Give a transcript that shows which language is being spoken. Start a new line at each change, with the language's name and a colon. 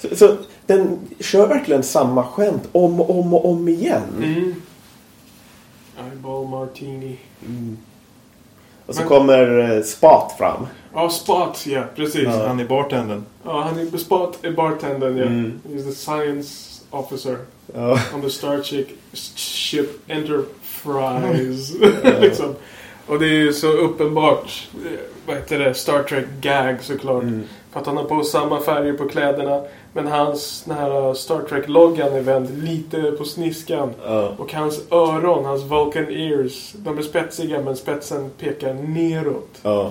Swedish: Så den kör verkligen samma skämt om och om och om igen. Mm. Eyeball martini. Mm. Och så kommer Spot fram. Ja, Spot, ja, precis. Ja. Han är bartenden. Ja, han är Spot är bartenden, ja. Mm.
English: He's the science officer on the Starship Enterprise.
Swedish: liksom. Och det är ju så uppenbart, vad heter det, Star Trek-gag såklart. Mm. För att han har på samma färger på kläderna. Men hans den här Star Trek-loggan är vänd lite på sniskan. Och hans öron, hans Vulcan ears, de är spetsiga men spetsen pekar neråt.